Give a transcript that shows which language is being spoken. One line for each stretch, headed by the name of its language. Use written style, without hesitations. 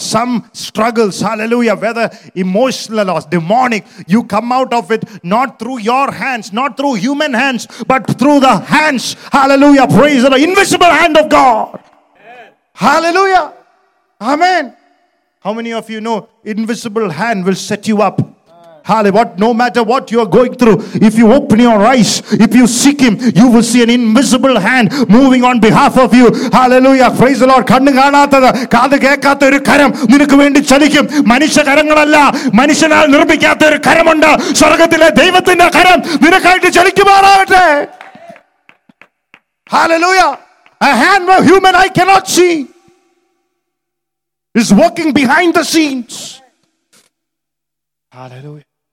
English: Some struggles, hallelujah, whether emotional or demonic, you come out of it not through your hands, not through human hands, but through the hands, hallelujah, praise the invisible hand of God. Amen. Hallelujah. Amen. How many of you know invisible hand will set you up? Hallelujah. What, no matter what you are going through, if you open your eyes, if you seek him, you will see an invisible hand moving on behalf of you. Hallelujah. Praise the Lord.
Malayalam: കണ്ണു കാണാത്തത് കാത് കേൾക്കാത്ത ഒരു കരം നിനക്ക് വേണ്ടി ചലിക്കും. മനുഷ്യ കരങ്ങളല്ല, മനുഷ്യനാൽ നിർമ്മിക്കാത്ത ഒരു കരമുണ്ട്. സ്വർഗത്തിലെ ദൈവത്തിന്റെ കരം നിനക്കായിട്ട് ചലിക്കുമാറാകട്ടെ.
English: Hallelujah. A hand where human eye cannot see is working behind the scenes. Hallelujah.